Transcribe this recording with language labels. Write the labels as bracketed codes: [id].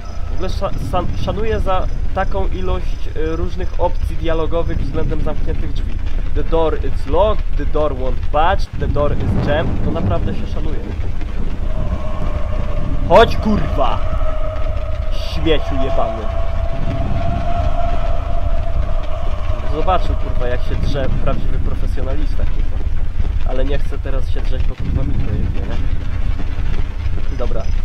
[pl] W ogóle szanuję za taką ilość różnych opcji dialogowych względem zamkniętych drzwi. [en] The door is locked, the door won't budge, the door is jammed. [pl] To naprawdę się szanuje. Chodź, kurwa! Śmieciu jebany. Zobaczył, kurwa, jak się drze prawdziwy profesjonalista, kurwa. Ale nie chcę teraz się drzeć, bo kurwa mi to jest, nie? Dobra.